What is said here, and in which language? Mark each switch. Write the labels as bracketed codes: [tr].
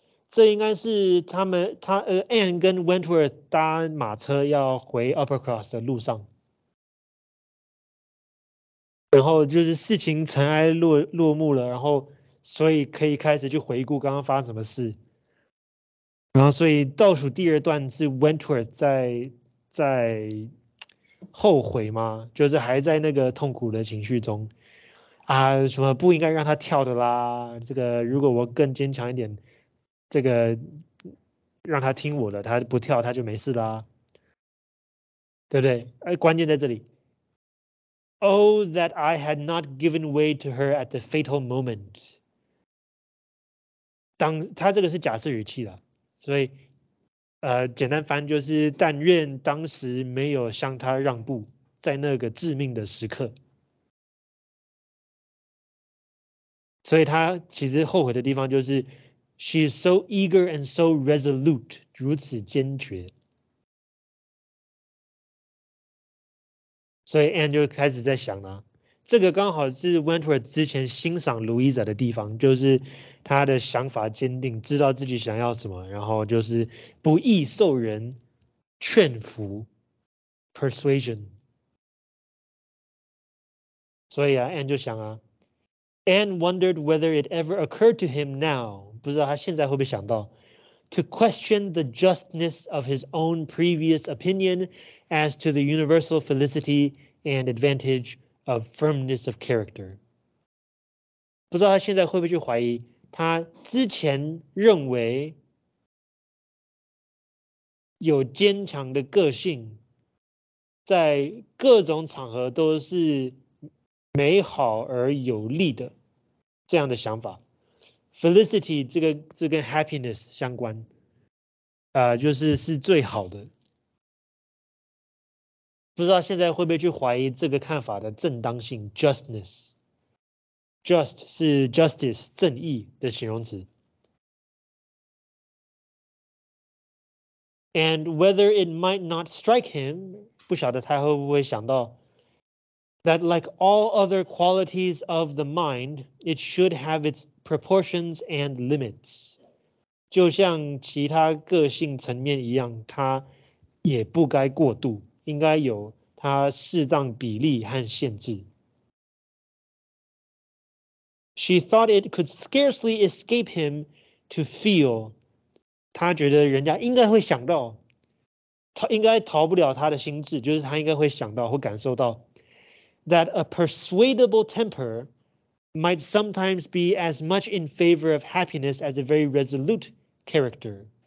[zh] 这应该是他们他呃 Anne 跟 Wentworth 搭马车要回 Uppercross 的路上，然后就是事情尘埃落幕了，然后所以可以开始就回顾刚刚发生什么事，然后所以倒数第二段是 Wentworth 在后悔吗？就是还在那个痛苦的情绪中啊，什么不应该让他跳的啦，这个如果我更坚强一点，这个让他听我的，他不跳他就没事啦、啊，对不对？哎，关键在这里。 [en] Oh, that I had not given way to her at the fatal moment. [zh] 当他这个是假设语气啦，所以简单翻就是但愿当时没有向他让步，在那个致命的时刻。所以他其实后悔的地方就是。 [en] She is so eager and so resolute, [zh] 如此坚决。所以 Anne 就开始在想了、啊，这个刚好是 Wentworth 之前欣赏 Louisa 的地方，就是他的想法坚定，知道自己想要什么，然后就是不易受人劝服 ，persuasion。所以啊 ，Anne 就想啊 [en] ，Anne wondered whether it ever occurred to him now. [zh] 不知道他现在会不会想到 [en] ，to question the justness of his own previous opinion as to the universal felicity and advantage of firmness of character。 [zh] 不知道他现在会不会去怀疑他之前认为有坚强的个性，在各种场合都是美好而有利的这样的想法。 Felicity 这跟 happiness 相关，就是是最好的。不知道现在会不会去怀疑这个看法的正当性 ？Justness， just 是 justice 正义的形容词。 [en] And whether it might not strike him， [zh] 不晓得他会不会想到。 [en] That like all other qualities of the mind, it should have its proportions and limits. [zh] 就像其他个性层面一样，它也不该过度，应该有它适当比例和限制。 [en] She thought it could scarcely escape him to feel. [zh] 她觉得人家应该会想到，他应该逃不了他的心智，就是他应该会想到，会感受到。 [en] That a persuadable temper might sometimes be as much in favor of happiness as a very resolute character.